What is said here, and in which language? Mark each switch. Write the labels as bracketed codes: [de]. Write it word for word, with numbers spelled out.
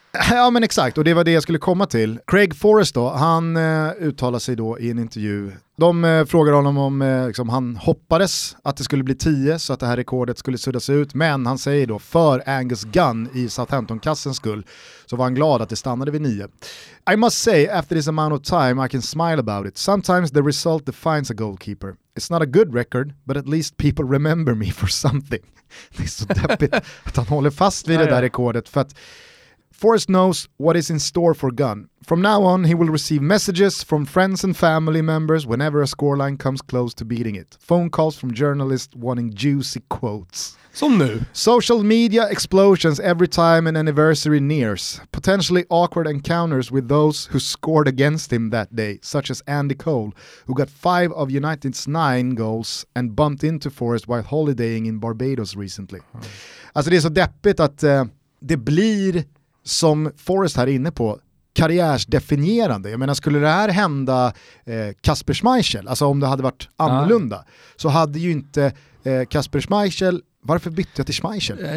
[sv] Ja men exakt, och det var det jag skulle komma till. Craig Forrest då, han eh, uttalar sig då i en intervju. De eh, frågar honom om eh, liksom, han hoppades att det skulle bli tio så att det här rekordet skulle suddas ut. Men han säger då, för Angus Gunn i Southampton-kassens skull så var han glad att det stannade vid nio. [en] I must say, after this amount of time I can smile about it. Sometimes the result defines a goalkeeper. It's not a good record, but at least people remember me for something. [sv] Det är så deppigt att han håller fast vid det där rekordet för att [en] Forrest knows what is in store for Gunn. From now on, he will receive messages from friends and family members whenever a scoreline comes close to beating it. Phone calls from journalists wanting juicy quotes. [sv] Som nu. [en] Social media explosions every time an anniversary nears. Potentially awkward encounters with those who scored against him that day, such as Andy Cole, who got five of United's nine goals and bumped into Forrest while holidaying in Barbados recently. Mm. [sv] Alltså det är så deppigt att uh, det blir... som Forrest här inne på, karriärsdefinierande. Jag menar, skulle det här hända eh, Kasper Schmeichel, alltså om det hade varit annorlunda, ah. så hade ju inte eh, Kasper Schmeichel, varför bytte jag till Schmeichel?